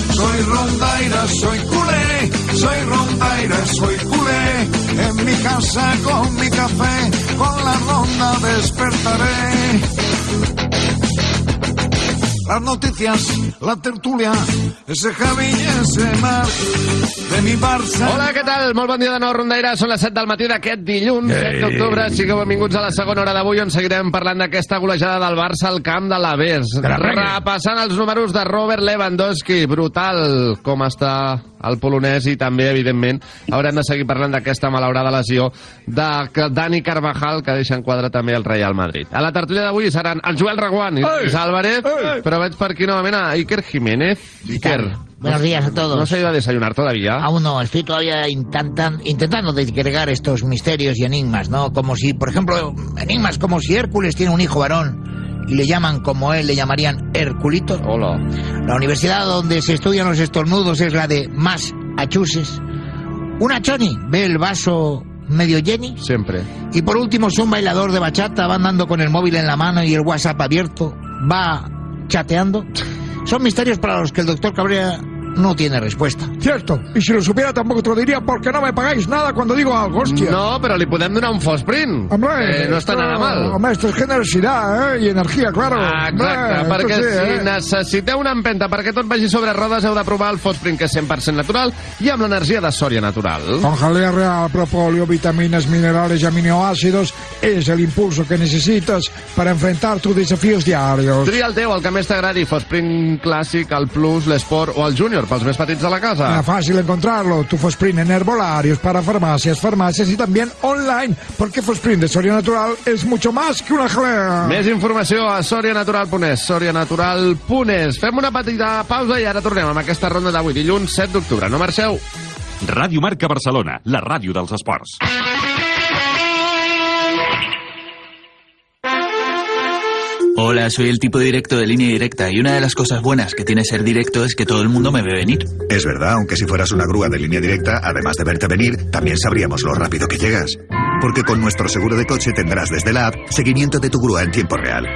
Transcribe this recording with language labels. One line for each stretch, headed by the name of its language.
Spanish: Soy rondaira, soy culé, soy rondaira, soy culé. En mi casa con mi café, con la ronda despertaré. Las noticias, la tertulia, ese Javi y ese Mar de mi Barça.
Catalan: Hola, què tal? Molt bon dia de nou, rondaires. Són les 7 del matí d'aquest dilluns, 7 d'octubre. Sigueu benvinguts a la segona hora d'avui, on seguirem parlant d'aquesta golejada del Barça al camp de l'Avers. Repassant els números de Robert Lewandowski. Brutal com està el polonès i també, evidentment, haurem de seguir parlant d'aquesta malaurada lesió de Dani Carvajal, que deixa en quadre també el Real Madrid. A la tertúlia d'avui seran el Joel Reguant i el Álvarez, però veig per aquí novament a Iker Jiménez. Iker.
Spanish: Buenos días a todos. ¿No se ha ido a desayunar todavía? Aún no, estoy todavía intentando desgregar estos misterios y enigmas, ¿no? Como si, por ejemplo, enigmas como si Hércules tiene un hijo varón y le llaman como él, le llamarían Herculito. Hola. La universidad donde se estudian los estornudos es la de Massachusetts. Una choni ve el vaso medio Jenny. Siempre. Y por último, si un bailador de bachata va andando con el móvil en la mano y el WhatsApp abierto, va chateando. Son misterios para los que el doctor Cabrera no tiene respuesta. Cierto, y si lo supiera tampoco te lo diría, porque no me pagáis nada cuando digo algo, hostia. No, pero le podemos dar un Fosprin. Hombre, no está nada mal. Hombre, esto es generosidad, ¿eh? Y energía, claro.
Catalan: Ah, exacte, perquè sí, si necessiteu una empenta perquè tot vagi sobre rodes, heu de provar el Fosprin, que és 100% natural i amb l'energia de Soria Natural.
Spanish: Con jalea real, propóleo, vitaminas, minerales y aminoácidos es el impulso que necesitas para enfrentar tus desafíos diarios.
Catalan: Tria el teu, el que més t'agradi, Fosprin clàssic, el plus, l'esport o el junior. Pels més petits de la casa.
Spanish: Era fàcil encontrarlo.
Catalan: Tu Fosprin
Spanish: en herbolarios, para
Catalan: farmàcies, farmàcies i també online. Perquè Fosprin de Soria Natural és
Spanish: mucho más que una jalea.
Catalan: Més informació a sorianatural.es. Sorianatural.es. Fem una petita pausa i ara tornem amb aquesta ronda d'avui, dilluns 7 d'octubre. No marxeu. Ràdio Marca Barcelona, la ràdio dels esports.
Spanish: Hola, soy el tipo directo de Línea Directa y una de las cosas buenas que tiene ser directo es que todo el mundo me ve venir. Es verdad, aunque si fueras una grúa de Línea Directa, además de verte venir, también sabríamos lo rápido que llegas. porque con nuestro seguro de coche tendrás desde la app seguimiento de tu grúa en tiempo real.